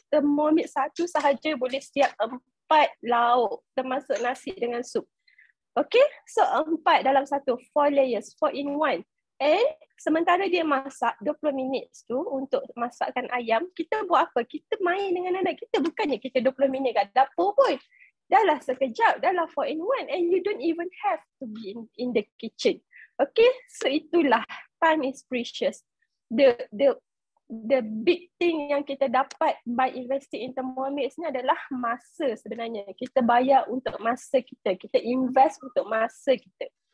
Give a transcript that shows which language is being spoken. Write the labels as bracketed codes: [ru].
[ms] Thermomix satu sahaja boleh siap 4 lauk termasuk nasi dengan sup. Okay, so 4 dalam satu, 4 layers, 4-in-1. And sementara dia masak 20 minit tu untuk masakkan ayam, kita buat apa? Kita main dengan anak kita. Bukannya kita 20 minit kat dapur pun. Dahlah sekejap, dahlah 4-in-1 [en] and you don't even have to be in the kitchen. [ms] Okay, so itulah, [en] time is precious. The big thing [ms] yang kita dapat [en] by investing in [ms] Thermomix ni adalah masa sebenarnya. Kita bayar untuk masa kita, kita invest untuk masa kita.